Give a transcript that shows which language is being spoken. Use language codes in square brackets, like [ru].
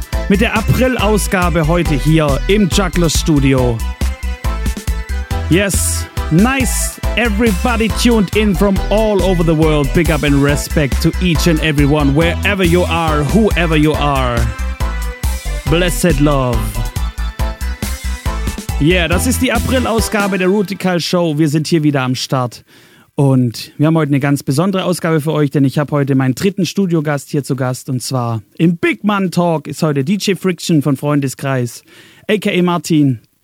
[de] Mit der April-Ausgabe heute hier im Juggler Studio. [en] Yes, nice. Everybody tuned in from all over the world. Big up and respect to each and everyone, wherever you are, whoever you are. Blessed love. [de] Yeah, das ist die April-Ausgabe der Rootikal Show. Wir sind hier wieder am Start. Und wir haben heute eine ganz besondere Ausgabe für euch, denn ich habe heute meinen dritten Studiogast hier zu Gast. Und zwar im Big Man Talk ist heute DJ Friction von Freundeskreis, a.k.a. Martin.